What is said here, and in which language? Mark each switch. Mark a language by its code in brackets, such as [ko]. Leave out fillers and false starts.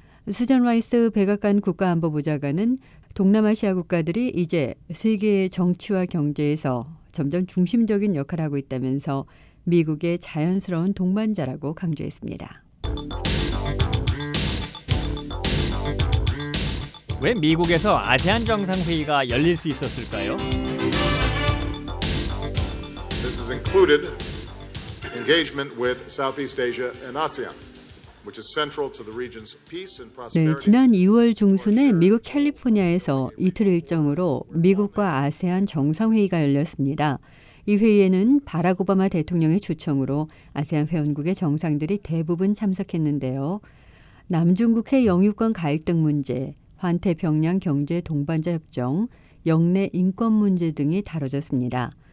[ko] 수잔 라이스 백악관 국가안보보좌관은 동남아시아 국가들이 이제 세계의 정치와 경제에서 점점 중심적인 역할을 하고 있다면서 미국의 자연스러운 동반자라고 강조했습니다. 왜 미국에서 아세안 정상회의가 열릴 수 있었을까요? [en] Included engagement with Southeast Asia and ASEAN, which is central to the region's peace and prosperity. [ko] 네, 지난 2월 중순에 미국 캘리포니아에서 이틀 일정으로 미국과 아세안 정상회의가 열렸습니다. 이 회의에는 바락 오바마 대통령의 초청으로 아세안 회원국의 정상들이 대부분 참석했는데요. 남중국해 영유권 갈등 문제, 환태평양 경제 동반자 협정, 영내 인권 문제 등이 다뤄졌습니다.